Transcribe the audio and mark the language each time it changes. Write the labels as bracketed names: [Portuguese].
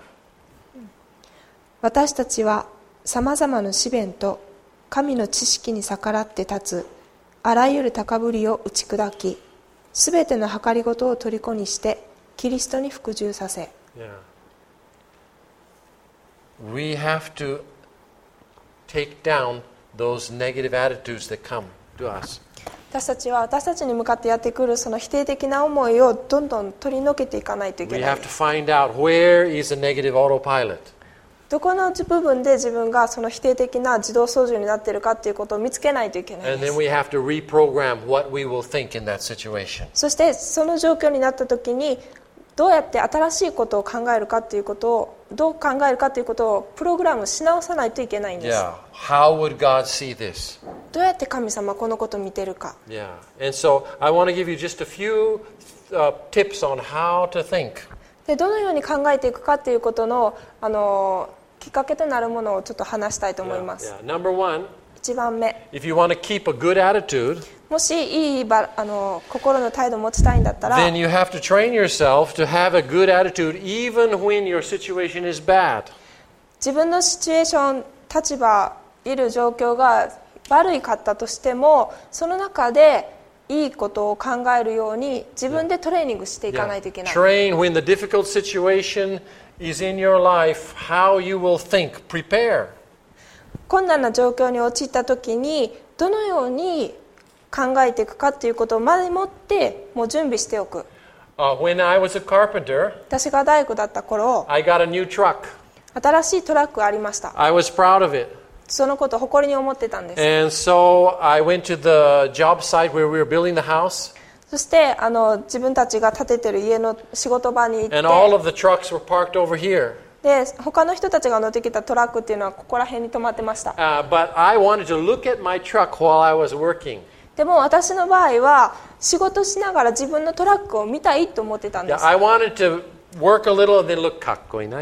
[English] Verse 5. [Japanese] 私たちはさまざまな試練と神の知識に逆らって立つあらゆる高ぶりを打ち砕き、すべての計りごとを虜にしてキリストに服従させ。 [English] Yeah. We have to take down those negative attitudes that come to us. [Japanese] 私たちは私たちに向かってやってくるその否定的な思いをどんどん取り除けていかないといけない。 [English] We have to find out where is a negative autopilot. [Japanese] どこのうち部分で自分がその否定的な自動操縦になっているかということを見つけないといけないです。 [English] And then we have to reprogram what we will think in that situation. [Japanese] そしてその状況になった時にどうやって新しいことを考えるかということをどう考えるかということをプログラムし直さないといけないんです。 [English] Yeah. How would God see this? [Japanese] どうやって神様はこのことを見ているか。 [English] Yeah. And so I want to give you just a few tips on how to think. [Japanese] でどのように考えていくかということ の, あのきっかけとなるものをちょっと話したいと思います。 [English] Yeah, yeah. Number one, [Japanese] 一番目。 [English] If you want to keep a good attitude, [Japanese] もしいいあの心の態度を持ちたいんだったら、 [English] then you have to train yourself to have a good attitude even when your situation is bad. [Japanese] 自分のシチュエーション、立場、いる状況が悪いかったとしても、その中でいいことを考えるように自分でトレーニングしていかないといけない。 [English] Yeah. Train when the difficult situation is in your life, how you will think, prepare. [Japanese] 困難な状況に陥った時にどのように考えていくかということを前もってもう準備しておく。 [English] When I was a carpenter, [Japanese] 私が大工だった頃、 [English] I got a new truck. [Japanese] 新しいトラックがありました。 [English] I was proud of it. [Japanese] そのことを誇りに思ってたんです。 [English] And so I went to the job site where we were building the house. [Japanese] そしてあの自分たちが建ててる家の仕事場に行って。 [English] And all of the trucks were parked over here. [Japanese] で、他の人たちが乗ってきたトラックっていうのはここら辺に止まってました。 [English] But I wanted to look at my truck while I was working. [Japanese] でも私の場合は仕事しながら自分のトラックを見たいと思ってたんです。 [English] Yeah, I wanted to work a little and then look [Japanese] かっこいいな。